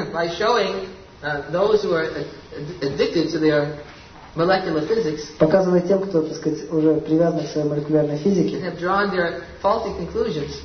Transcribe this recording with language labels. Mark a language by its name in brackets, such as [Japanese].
[English] By showing those who are addicted to their molecular physics, [Russian] показывая тем, кто, так сказать, уже привязан к своей молекулярной физике, [English] have drawn their faulty conclusions,